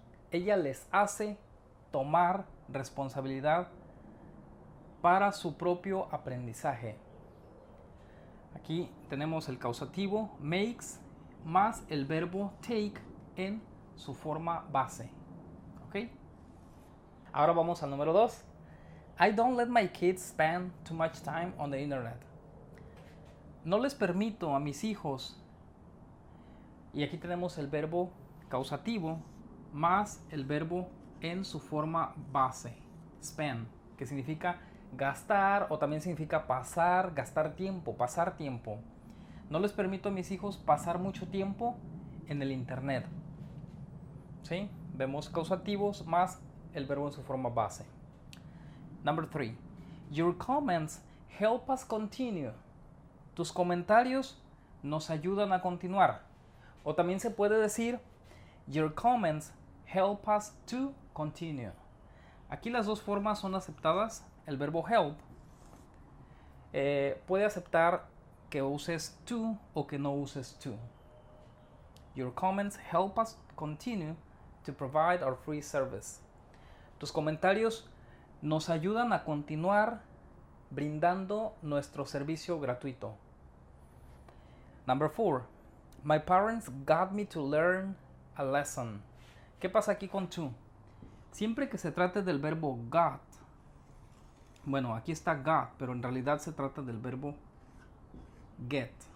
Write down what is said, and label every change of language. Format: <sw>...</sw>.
<es>Ella les hace tomar responsabilidad para su propio aprendizaje. Aquí tenemos el causativo makes más el verbo take en su forma base. ¿Ok? Ahora vamos al número 2.</es> <en>I don't let my kids spend too much time on the internet.</en> <es>No les permito a mis hijos. Y aquí tenemos el verbo causativo más el verbo en su forma base. Spend, que significa gastar o también significa pasar, gastar tiempo, pasar tiempo. No les permito a mis hijos pasar mucho tiempo en el internet. ¿Sí? Vemos causativos más el verbo en su forma base.</es> <en>Number 3. Your comments help us continue.</en> <es>Tus comentarios nos ayudan a continuar. O también se puede decir</es> <en>your comments help us to continue.</en> <es>Aquí las dos formas son aceptadas. El verbo help puede aceptar que uses to o que no uses to.</es> <en>Your comments help us continue to provide our free service.</en> <es>Tus comentarios nos ayudan a continuar brindando nuestro servicio gratuito.</es> <en>Number 4. My parents got me to learn a lesson.</en> <es>¿Qué pasa aquí con to? Siempre que se trate del verbo got, bueno, aquí está got, pero en realidad se trata del verbo get.</es>